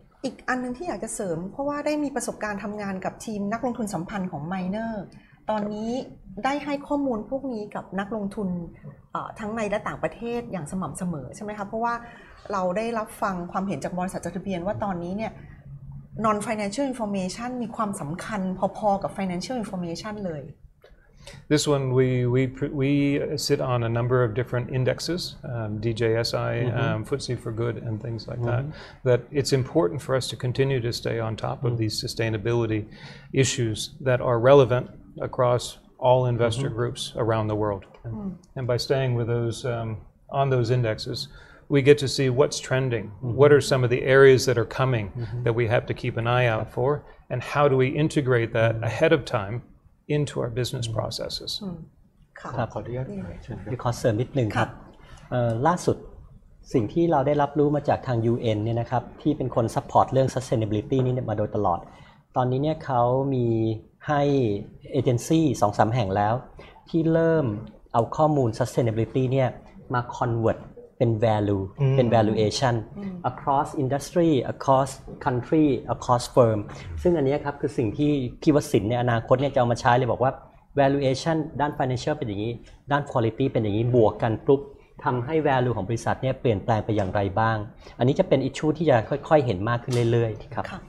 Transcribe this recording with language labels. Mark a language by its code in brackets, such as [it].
[th] อีกอันนึงที่อยากจะเสริมเพราะว่าได้มีประสบการณ์ทำงานกับทีมนักลงทุนสัมพันธ์ของ Miner ตอนนี้ได้ให้ข้อมูลพวกนี้กับนักลงทุนทั้งในและต่างประเทศอย่างสม่ำเสมอใช่ไหมคะเพราะว่าเราได้รับฟังความเห็นจากบริษัทจดทะเบียนว่าตอนนี้เนี่ย non financial information มีความสำคัญพอๆกับ financial information เลย [en] This one we sit on a number of different indexes DJSI FTSE4Good and things like that it's important for us to continue to stay on top of these sustainability issues that are relevant across all investor groups around the world and by staying with those on those indexesWe get to see what's trending. What are some of the areas that are coming that we have to keep an eye out for, and how do we integrate that ahead of time into our business processes? [th] ครับขออนุญาตมีข้อเสริมนิดนึงครับล่าสุดสิ่งที่เราได้รับรู้มาจากทาง UN เนี่ยนะครับที่เป็นคนซัพพอร์ตเรื่อง sustainability นี่มาโดยตลอดตอนนี้เนี่ยเขามีให้ เอเจนซี่สองสามแห่งแล้วที่เริ่มเอาข้อมูล sustainability เนี่ยมา convertเป็น value เป็น valuation [en] across industry across country across firm [th] ซึ่งอันนี้ครับคือสิ่งที่คิดว่าสินในอนาคตเนี่ยจะเอามาใช้เลยบอกว่า valuation ด้าน financial เป็นอย่างนี้ด้าน quality เป็นอย่างนี้บวกกันปุ๊บทำให้ value ของบริษัทเนี่ยเปลี่ยนแปลงไปอย่างไรบ้างอันนี้จะเป็น issue ที่จะค่อยๆเห็นมากขึ้นเรื่อยๆครับ